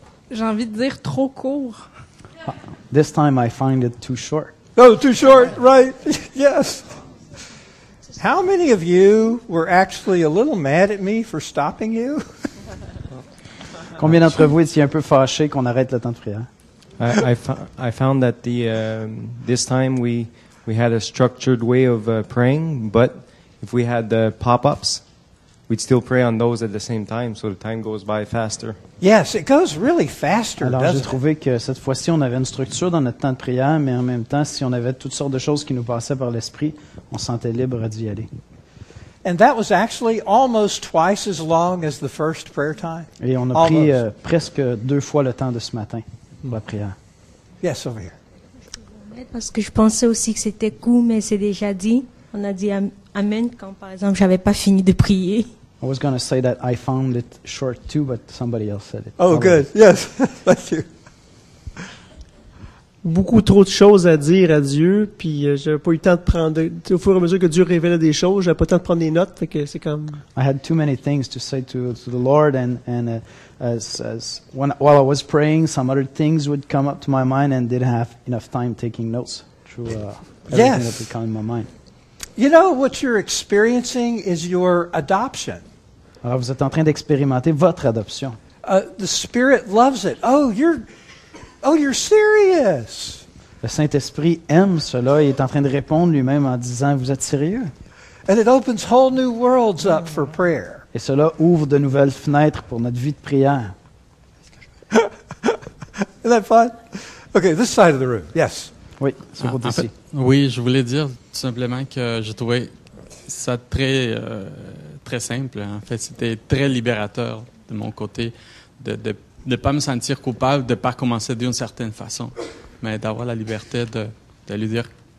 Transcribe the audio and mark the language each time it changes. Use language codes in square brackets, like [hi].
[fr] J'ai envie de dire trop court. [en] This time I find it too short. Oh, too short, right. Yes. How many of you were actually a little mad at me for stopping you? Combien d'entre vous étiez un peu fâchés qu'on arrête le temps de prière? I found that the this time we had a structured way of praying, but if we had the pop-ups, we'd still pray on those at the same time, so the time goes by faster. Yes, it goes really faster. [fr] Alors j'ai trouvé que cette fois-ci on avait une structure dans notre temps de prière, mais en même temps, si on avait toutes sortes de choses qui nous passaient par l'esprit, on sentait libre d'y aller. [en] And that was actually almost twice as long as the first prayer time. [fr] Et on a [en] almost. [fr] Pris presque deux fois le temps de ce matin pour la prière. [en] Yes, over here. [fr] Parce que je pensais aussi que c'était cool, mais c'est déjà dit. On a dit amen quand, par exemple, j'avais pas fini de prier. [en] I was going to say that I found it short too, but somebody else said it. Oh, probably. Good. Yes. Thank you. [fr] Beaucoup trop de choses à dire à Dieu, puis j'avais pas eu le temps de prendre. Au fur et à mesure que Dieu révélait des choses, j'avais pas le temps de prendre des notes, fait que c'est comme. [en] I had too many things to say to the Lord, and as while I was praying, some other things would come up to my mind, and didn't have enough time taking notes through everything yes. that would come in my mind. You know what you're experiencing is your adoption. [fr] Alors vous êtes en train d'expérimenter votre adoption. [en] The Spirit loves it. Oh, you're serious. [fr] Le Saint-Esprit aime cela et est en train de répondre lui-même en disant, vous êtes sérieux? [en] And it opens whole new worlds up for prayer. [fr] Et cela ouvre de nouvelles fenêtres pour notre vie de prière. [en] Isn't that fun? Okay, this side of the room. Yes. [fr] Oui, c'est pour d'ici. Oui, je voulais dire tout simplement que j'ai trouvé ça très, très simple. En fait, c'était très libérateur de mon côté de pas me sentir coupable de pas commencer d'une certaine façon, mais d'avoir la liberté de lui dire.